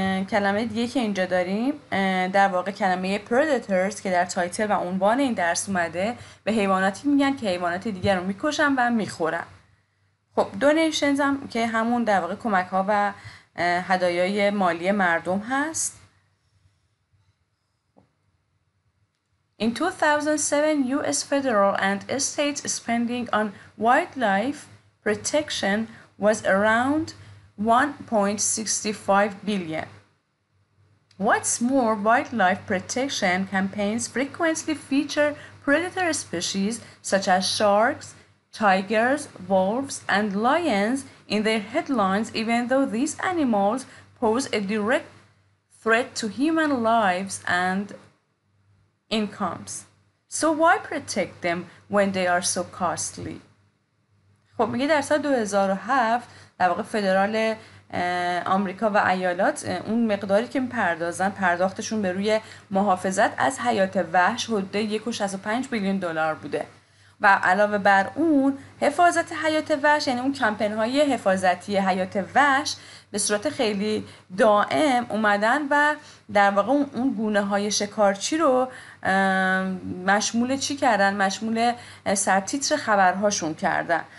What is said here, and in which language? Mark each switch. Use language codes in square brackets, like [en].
[fa] کلمه دیگه که اینجا داریم در واقع کلمه predators که در تایتل و عنوان این درس اومده، به حیواناتی میگن که حیوانات دیگر رو میکشن و میخورن. خب donations هم که همون در واقع کمک ها و هدایای مالی مردم هست. [en] In 2007, U.S. federal and state spending on wildlife protection was around $1.65 billion. What's more, wildlife protection campaigns frequently feature predator species such as sharks, tigers, wolves, and lions in their headlines, even though these animals pose a direct threat to human lives and incomes. So why protect them when they are so costly? [fa] خب میگه در سال 2007 در واقع فدرال آمریکا و ایالات اون مقداری که میپردازن، پرداختشون به روی محافظت از حیات وحش حدود 1.65 بیلیون دلار بوده و علاوه بر اون حفاظت حیات وحش، یعنی اون کمپین‌های حفاظتی حیات وحش به صورت خیلی دائم اومدن و در واقع اون گونه های شکارچی رو مشمول چی کردن؟ مشمول سرتیتر خبرهاشون کردن.